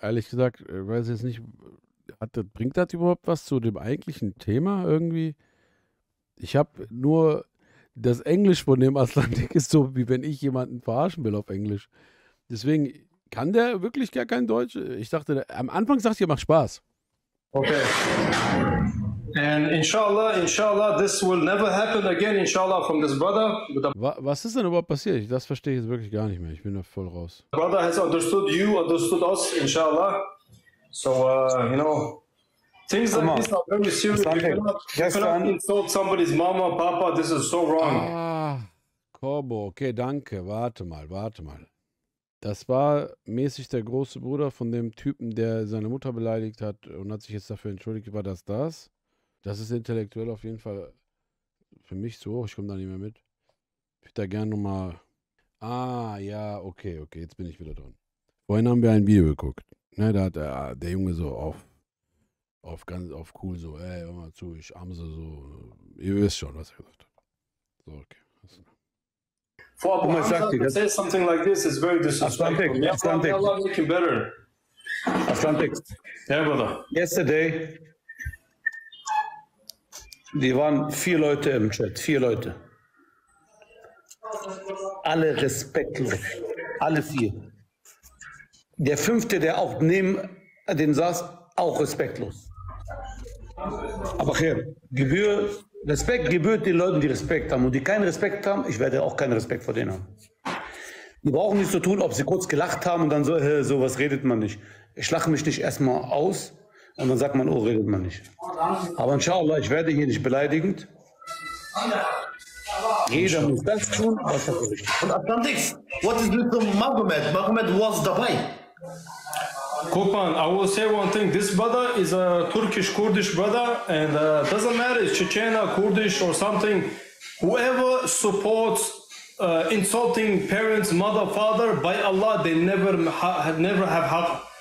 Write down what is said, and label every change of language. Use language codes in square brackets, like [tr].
[de] Ehrlich gesagt, weiß ich jetzt nicht, bringt das überhaupt was zu dem eigentlichen Thema irgendwie? Ich habe nur das Englisch von dem Atlantik ist so, wie wenn ich jemanden verarschen will auf Englisch. Deswegen kann der wirklich gar kein Deutsch. Ich dachte, am Anfang sagt ihr, macht Spaß. Okay. [en] And inshallah, this will never happen again, inshallah, from this brother. [de] Was ist denn überhaupt passiert? Das verstehe ich jetzt wirklich gar nicht mehr. Ich bin da voll raus. [en] Brother has understood you, understood us, inshallah. So, you know, things like this are very serious. You cannot insult somebody's mama, papa, this is so wrong. [de] Ah, Corbo, okay, danke. Warte mal. Das war mäßig der große Bruder von dem Typen, der seine Mutter beleidigt hat und hat sich jetzt dafür entschuldigt. War das? Das ist intellektuell auf jeden Fall Für mich zu hoch, ich komme da nicht mehr mit. Ich würde da gerne nochmal... Ah, ja, okay, jetzt bin ich wieder dran. Vorhin haben wir ein Video geguckt. Ne, da hat der Junge so auf ganz auf cool so, ey, hör mal zu, ich amse so. Ihr wisst schon, was er gesagt hat. So, okay. [en] For Abu Hamza to say something like this is very disrespectful. Atlantic, yeah, Allah making better. Atlantic. Yeah, brother. Yesterday, there were [de] 4 Leute im Chat, 4 Leute. Alle respektlos, alle 4. Der 5., der auch neben den saß, auch respektlos. Aber hier, Gebühr. Respekt gebührt den Leuten, die Respekt haben. Und die keinen Respekt haben, ich werde auch keinen Respekt vor denen haben. Wir brauchen nicht so tun, ob sie kurz gelacht haben und dann so, hey, so was redet man nicht. Ich lache mich nicht erstmal aus und dann sagt man, oh, redet man nicht. Aber inshallah, ich werde hier nicht beleidigend. Jeder muss das tun, was er für richtig. [en] Und Atlantik, what is with Mohammed? [de] Mohammed was dabei. Guck mal, [en] I will say one thing. This brother is a Turkish-Kurdish brother and doesn't matter if Chechena, Kurdish or something. Whoever supports insulting parents, mother, father, by Allah, they never have haq.